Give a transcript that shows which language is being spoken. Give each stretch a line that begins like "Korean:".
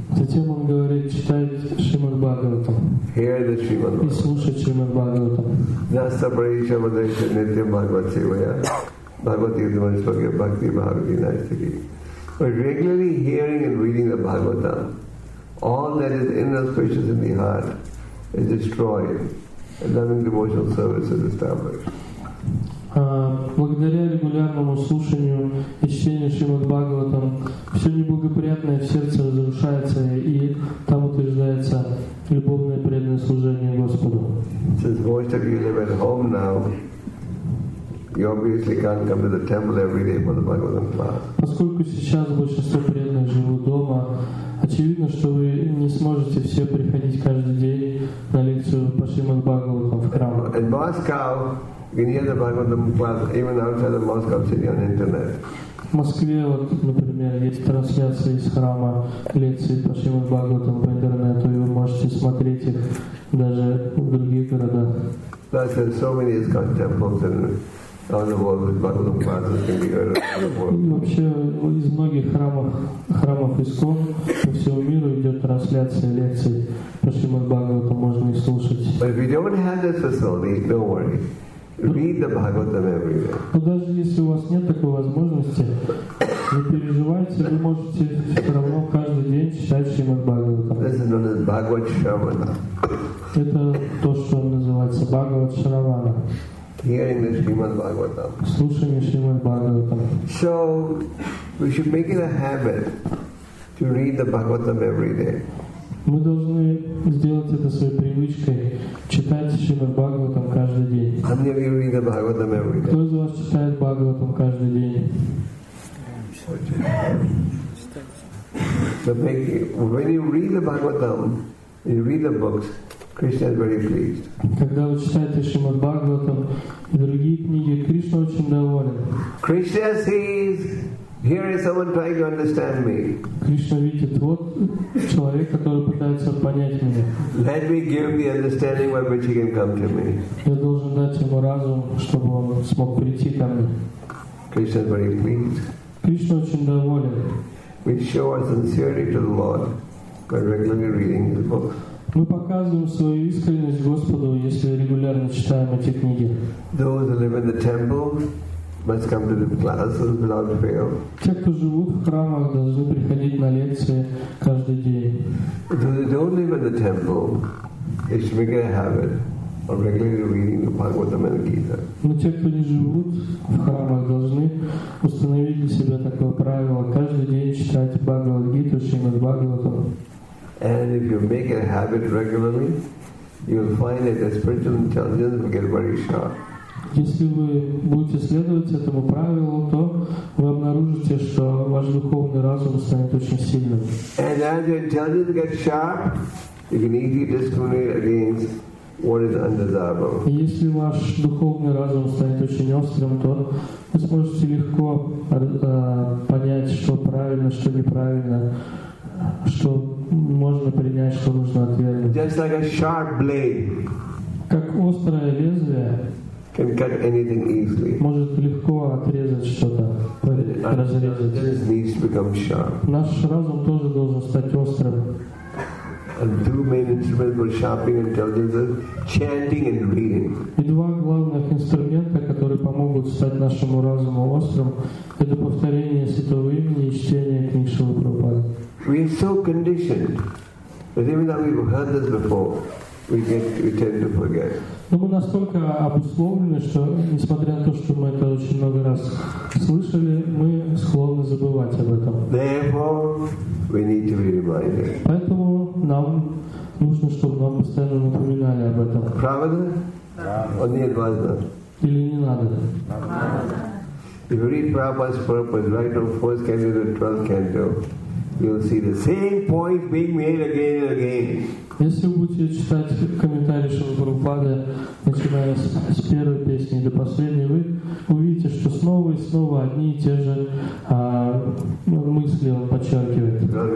Russian: Затем он говорит, читать Шримад Бхагаватам.
English: Hear the Srimad Bhagavatam.
Russian: И слушать Шримад Бхагаватам.
Sanskrit: Наста Прадиша Мадреша Нитя Бхагават Севая. Бхагавати Дмаришпаке Бхакти Бхагавати Найстаки.
English: But regularly hearing and reading the Bhagavatam, all that is inauspicious in the heart is destroyed. And loving devotional service is established.
Russian: Благодаря регулярному слушанию и чтению Шримад Бхагаватам все неблагоприятное в сердце разрушается, и там утверждается любовное преданное служение Господу.
English: Since most of you live at home now, you obviously can't come to the temple every day for the Bhagavatam class.
Russian: Поскольку сейчас большинство преданных живут дома, очевидно, что вы не сможете все приходить каждый день на лекцию по Шримад Бхагаватам в храм.
English: In Moscow, you can hear the Bhagavatam class even outside of Moscow City on the internet.
Russian: В Москве, вот, например, есть трансляции из храма лекции по Шримад Бхагаватам по интернету, и вы можете смотреть их даже в других городах.
English: Plus, there are so many ISKCON temples in all the world with Bhagavatam classes can be heard around the world.
Russian: И вообще, из многих храмов ИСКОН по всему миру идет трансляция лекций по Шримад Бхагаватам, можно и слушать.
English: But if you don't have this facility, don't worry. Read the Bhagavatam everywhere.
Russian: Но даже если у вас нет такой возможности, не переживайте, вы можете все равно каждый день читать Шримад Бхагаватам.
English: This is known as Bhagavat Shravana.
Russian: Это то, что называется Бхагавад Шравана.
English: Hearing the Shrimad Bhagavatam.
Russian: Слушание Шримад Бхагаватам.
English: So we should make it a habit to read the Bhagavatam every day. Мы должны сделать это своей привычкой, читать Шримад Бхагаватам каждый день.
Russian: Кто из вас читает Бхагаватам каждый день?
English: So when you read the Bhagavatam, you read the books, Krishna is very pleased.
Russian: Когда вы читаете Шримад Бхагаватам и другие книги, Кришна очень доволен.
English: Krishna sees. Here is someone trying to understand me.
Russian: Кришна видит, вот человек, который пытается понять меня.
English: Let me give him the understanding by which he can come to me.
Russian: Я должен дать ему разум, чтобы он смог прийти ко мне.
English: Krishna is very pleased.
Russian: Кришна очень доволен.
English: We show our sincerity to the Lord by regularly reading his books.
Russian: Мы показываем свою искренность Господу, если регулярно читаем эти книги.
English: Those who live in the temple must come to the classes without fail.
Russian: Те, кто живут в храмах, должны приходить на лекции каждый день.
English: Those who don't live in the temple, they should make it a habit of regularly reading the Bhagavatam and Gita.
Russian: Но те, кто не живут в храмах, должны установить для себя такое правило: каждый день читать Бхагавад Гиту, Шримад Бхагаватам.
English: And if you make it a habit regularly, you will find that the spiritual intelligence will get very sharp.
Russian: Если вы будете следовать этому правилу, то вы обнаружите, что ваш духовный разум станет очень сильным.
English: And as your intelligence gets sharp, you can easily discriminate against what is undesirable.
Russian: Если ваш духовный разум станет очень острым, то вы сможете легко понять, что правильно, что неправильно, что можно принять, что нужно отвергнуть.
English: Just like a sharp blade.
Russian: Как острое лезвие.
English: Can cut anything easily.
Russian: Может легко отрезать что-то, разрезать.
English: Our intelligence needs to become sharp.
Russian: Наш разум тоже должен стать острым.
English: And two main instruments for sharpening intelligence are chanting and reading.
Russian: И два главных инструмента, которые помогут стать нашему разуму острым, это повторение святого имени и чтение книг Шрилы Прабхупады.
English: We are so conditioned that even though we've heard this before, we tend to forget.
Russian: Но мы настолько обусловлены, что, несмотря на то, что мы это очень много раз слышали, мы склонны забывать об этом.
English: Therefore, we need to be reminded.
Russian: Поэтому нам нужно, чтобы нам постоянно напоминали об этом. Правда? Да. Или не надо? Правда.
English: If you read Prabhupada's purpose right from 1st canto to 12th canto, you'll see the same point being made again and again.
Russian: Если вы будете читать комментарии Шилопрабхупады, начиная с первой песни до последней, вы увидите, что снова и снова одни и те же мысли он подчеркивает.